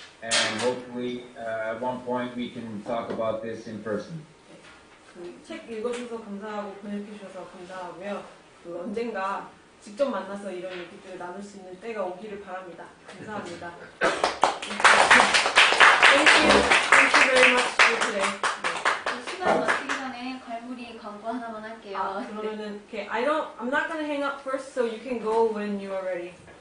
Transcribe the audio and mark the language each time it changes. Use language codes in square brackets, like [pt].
[en] And hopefully, at one point, we can talk about this in person. [ko] 책 읽어주셔서 감사하고 보내주셔서 감사하고요. 그 언젠가 직접 만나서 이런 얘기들을 나눌 수 있는 때가 오기를 바랍니다. 감사합니다. [en] Thank you. Thank you very much for today. [ko] 시간 마치기 전에 갈무리 광고 하나만 할게요. 아, 그러면은 [en] okay. I don't. I'm not gonna hang up first, so you can go when you are ready.